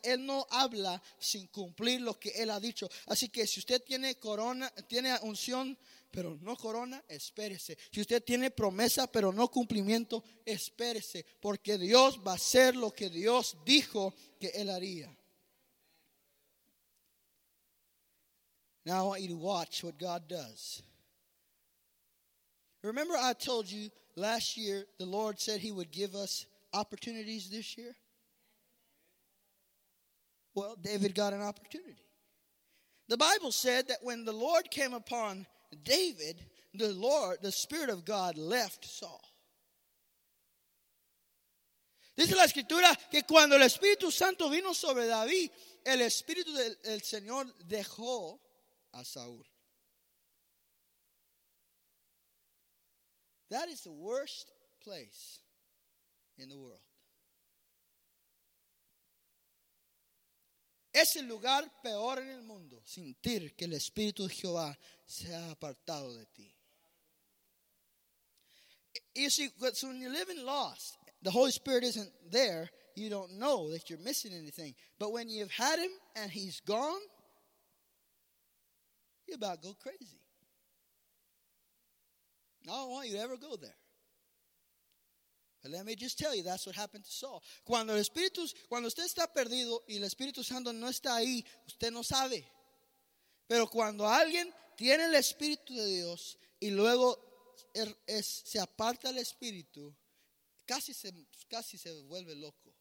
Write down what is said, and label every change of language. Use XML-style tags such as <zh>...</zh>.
<es>Él no habla sin cumplir lo que él ha dicho. Así que si usted tiene corona, tiene unción, pero no corona, espérese. Si usted tiene promesa, pero no cumplimiento, espérese. Porque Dios va a hacer lo que Dios dijo que él haría.</es> <en>Now I want you to watch what God does. Remember I told you last year the Lord said he would give us opportunities this year? Well, David got an opportunity. The Bible said that when the Lord came upon David, the Spirit of God left Saul.</en> <es>Dice la Escritura que cuando el Espíritu Santo vino sobre David, el Espíritu del Señor dejó a Saúl.</es> <en>That is the worst place in the world.</en> <es>Es el lugar peor en el mundo, sentir que el Espíritu de Jehová se ha apartado de ti.</es> <en>You see, because when you're living lost, the Holy Spirit isn't there, you don't know that you're missing anything. But when you've had him and he's gone, You about go crazy. I don't want you to ever go there. But let me just tell you, that's what happened to Saul.</en> <es>Cuando el Espíritu, cuando usted está perdido y el Espíritu Santo no está ahí, usted no sabe. Pero cuando alguien tiene el Espíritu de Dios y luego se aparta el Espíritu, casi se vuelve loco.</es>